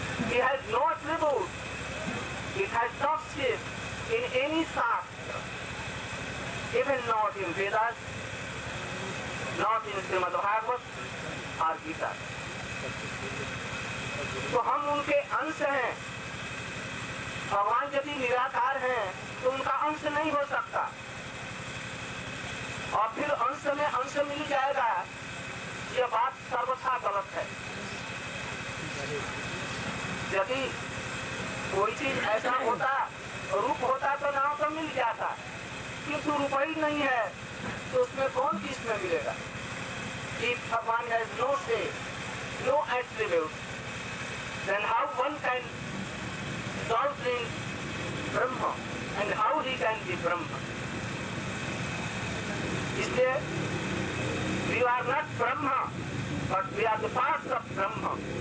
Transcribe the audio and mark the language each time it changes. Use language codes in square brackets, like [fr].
[en] He has no attributes. He has no shift in any shastra, even not in Vedas, not in Srimad Bhagavat or Gita. [hi] तो हम उनके अंश हैं. भगवान यदि निराकार हैं तो उनका अंश नहीं हो सकता. और फिर अंश में अंश मिल जाएगा, यह बात सर्वथा गलत है. यदि कोई चीज ऐसा होता, रूप होता तो नाम तो मिल जाता, किंतु रूप ही नहीं है तो उसमें कौन चीज में मिलेगा. कि भगवान है [en] No से no attributes, then how one can dwell in Brahma and how he can be Brahma. Isliye, we are not Brahma, but we are the parts of Brahma.